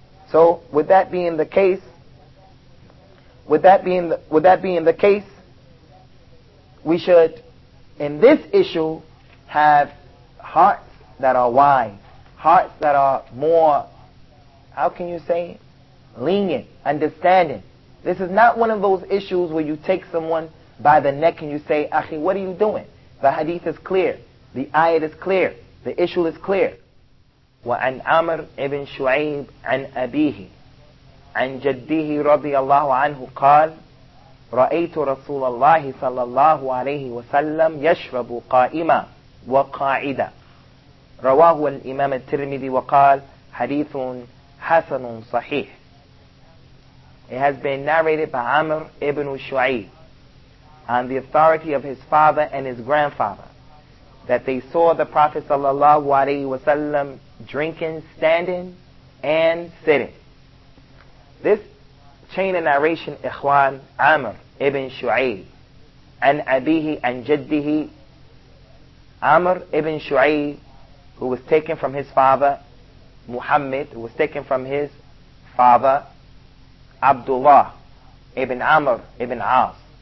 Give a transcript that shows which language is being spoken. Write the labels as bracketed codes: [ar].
[en] So with that being the case, with that being the case, we should, in this issue, have hearts that are wise, hearts that are more, how can you say, lenient, understanding. This is not one of those issues where you take someone by the neck and you say, Akhi, what are you doing? The hadith is clear, the ayat is clear, the issue is clear. [ar] وعن عمر بن شعيب عن أبيه عن جده رضي الله عنه قال رأيت رسول الله صلى الله عليه وسلم يشرب قائما وقاعدا رواه الإمام الترمذي وقال حديث حسن صحيح. [en] It has been narrated by Amr ibn Shu'ayb on the authority of his father and his grandfather that they saw the Prophet sallallahu alaihi wasallam drinking, standing, and sitting. This chain of narration, Ikhwan, Amr ibn Shu'ayb, an abihi an jaddihi, Amr ibn Shu'ayb, who was taken from his father, Muhammad, who was taken from his father, Abdullah ibn Amr ibn As.